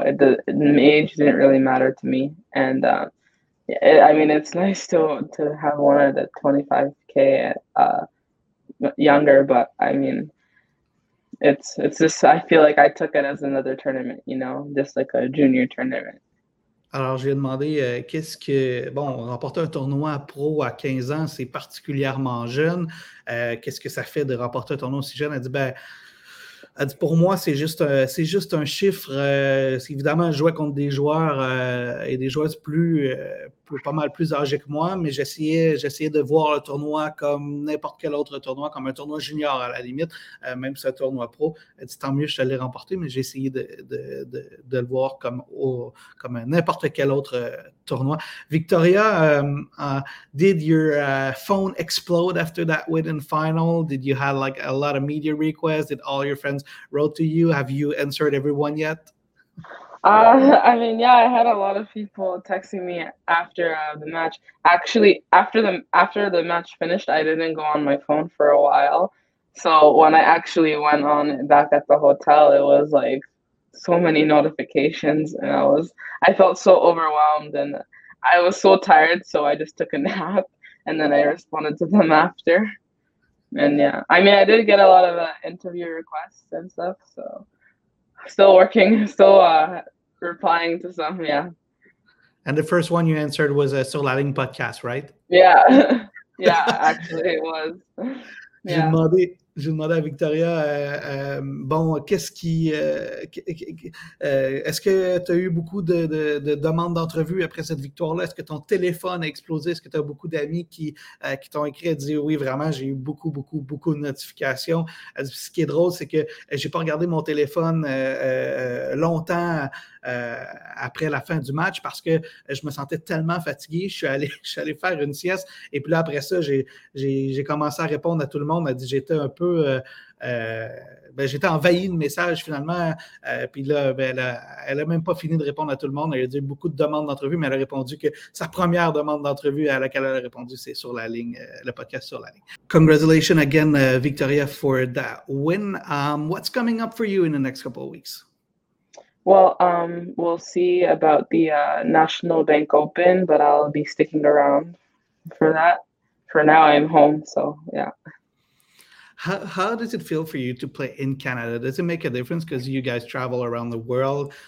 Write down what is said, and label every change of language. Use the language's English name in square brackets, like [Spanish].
[English] The age didn't really matter to me. And, it's nice to have one of the 25K younger, but, I mean, it's just, I feel like I took it as another tournament, you know, just like a junior tournament. [French] Alors, j'ai demandé remporter un tournoi pro à 15 ans, c'est particulièrement jeune. Qu'est-ce que ça fait de remporter un tournoi aussi jeune? Elle dit, pour moi, c'est juste un chiffre. Évidemment, je jouais contre des joueurs et des joueuses pas mal plus âgés que moi, mais j'essayais de voir le tournoi comme n'importe quel autre tournoi, comme un tournoi junior à la limite, même si un tournoi pro. Elle dit, tant mieux, je l'ai remporté, mais j'ai essayé de le voir comme n'importe quel autre tournoi. [English] Victoria, did your phone explode after that win in final? Did you have like a lot of media requests? Did all your friends wrote to you? Have you answered everyone yet? I had a lot of people texting me after the match. Actually, after the match finished, I didn't go on my phone for a while. So when I actually went on back at the hotel, it was like so many notifications, and I felt so overwhelmed, and I was so tired, so I just took a nap, and then I responded to them after. And yeah, I mean, I did get a lot of interview requests and stuff, so still working, still replying to some, yeah. And the first one you answered was a Sur la Ligne podcast, right? Yeah, yeah, actually it was. [French] J'ai demandé, à Victoria, est-ce que tu as eu beaucoup de demandes d'entrevue après cette victoire-là? Est-ce que ton téléphone a explosé? Est-ce que tu as beaucoup d'amis qui t'ont écrit et dit oui, vraiment, j'ai eu beaucoup, beaucoup, beaucoup de notifications? Ce qui est drôle, c'est que j'ai pas regardé mon téléphone longtemps après la fin du match parce que je me sentais tellement fatigué. Je suis allé faire une sieste et puis là, après ça, j'ai commencé à répondre à tout le monde. J'étais un peu j'étais envahi de messages finalement. Elle a même pas fini de répondre à tout le monde. Elle a dit beaucoup de demandes d'entrevue, mais elle a répondu que sa première demande d'entrevue à laquelle elle a répondu, c'est sur la ligne, le podcast sur la ligne. [English] Congratulations again, Victoria, for that win. What's coming up for you in the next couple of weeks? Well, we'll see about the National Bank Open, but I'll be sticking around for that. For now, I'm home, so yeah. How does it feel for you to play in Canada? Does it make a difference because you guys travel around the world?